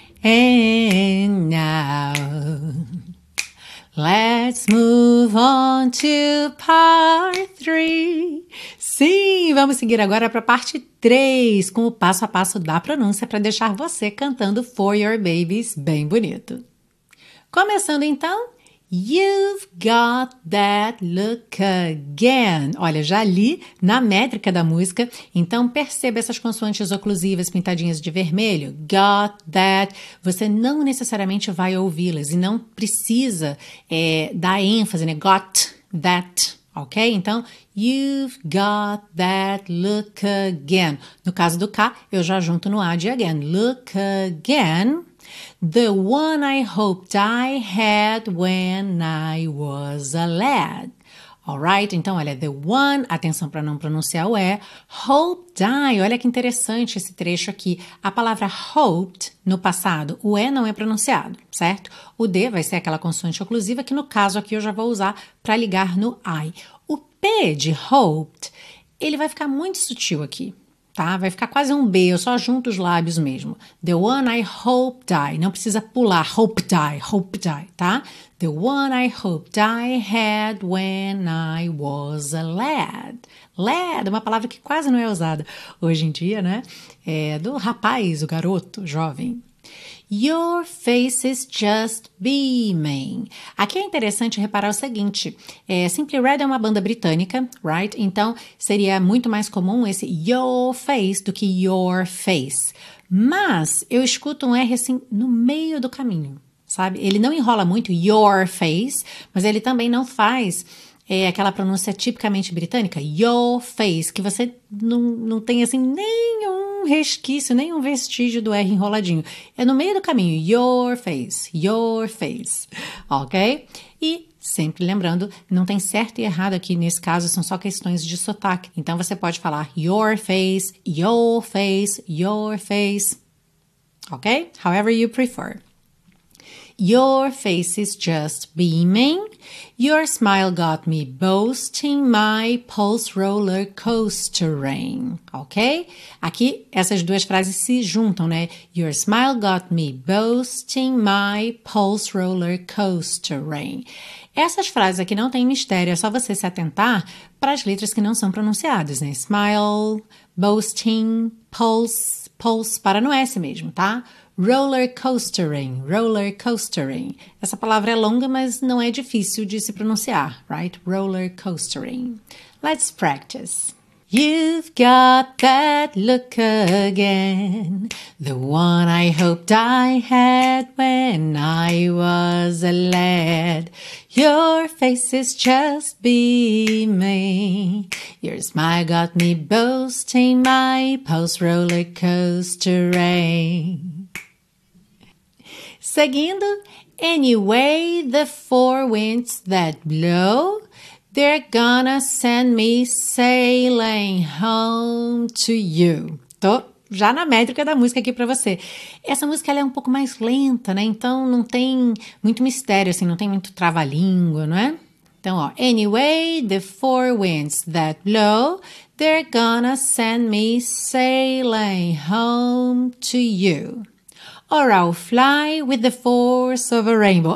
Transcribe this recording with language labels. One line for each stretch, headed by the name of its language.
English: And now, let's move on to part 3.
Portuguese: Sim, vamos seguir agora para a parte 3, com o passo a passo da pronúncia para deixar você cantando For Your Babies bem bonito. Começando então,
English: you've got that look again.
Portuguese: Olha, já li na métrica da música, então perceba essas consoantes oclusivas pintadinhas de vermelho.
English: Got that.
Portuguese: Você não necessariamente vai ouvi-las e não precisa dar ênfase, né?
English: Got that. Ok? Então, you've got that look again.
Portuguese: No caso do K, eu já junto no A de again.
English: Look again. The one I hoped I had when I was a lad.
Portuguese: Alright, então olha,
English: the one,
Portuguese: atenção para não pronunciar o E,
English: hoped I,
Portuguese: olha que interessante esse trecho aqui. A palavra hoped, no passado, o E não é pronunciado, certo? O D vai ser aquela consoante oclusiva que no caso aqui eu já vou usar para ligar no I. O P de hoped, ele vai ficar muito sutil aqui. Tá? Vai ficar quase um B, eu só junto os lábios mesmo.
English: The one I hoped I,
Portuguese: não precisa pular, hoped I, tá?
English: The one I hoped I had when I was a lad.
Portuguese: Lad, uma palavra que quase não é usada hoje em dia, né? É do rapaz, o garoto, jovem.
English: Your face is just beaming.
Portuguese: Aqui é interessante reparar o seguinte. Simply Red é uma banda britânica, right? Então, seria muito mais comum esse
English: your face
Portuguese: do que your face. Mas, eu escuto um R assim no meio do caminho, sabe? Ele não enrola muito your face, mas ele também não faz aquela pronúncia tipicamente britânica, your face, que você não tem assim nenhum resquício, nem um vestígio do R enroladinho. É no meio do caminho. Your face, ok? E sempre lembrando, não tem certo e errado aqui nesse caso, são só questões de sotaque. Então você pode falar your face, your face, your face, ok?
English: However you prefer. Your face is just beaming. Your smile got me boosting my pulse roller coastering. Ok?
Portuguese: Aqui, essas duas frases se juntam, né?
English: Your smile got me boosting my pulse roller coastering.
Portuguese: Essas frases aqui não tem mistério, é só você se atentar para as letras que não são pronunciadas, né? Smile, boosting, pulse, pulse, para no S mesmo, tá? Roller coastering, roller coastering. Essa palavra é longa, mas não é difícil de se pronunciar, right?
English: Roller coastering. Let's practice. You've got that look again, the one I hoped I had when I was a lad. Your face is just beaming, your smile got me boasting my post-roller coastering.
Portuguese: Seguindo,
English: anyway, the four winds that blow, they're gonna send me sailing home to you.
Portuguese: Tô já na métrica da música aqui pra você. Essa música ela é um pouco mais lenta, né? Então não tem muito mistério, assim, não tem muito trava-língua, não é? Então, ó.
English: Anyway, the four winds that blow, they're gonna send me sailing home to you. Or I'll fly with the force of a rainbow.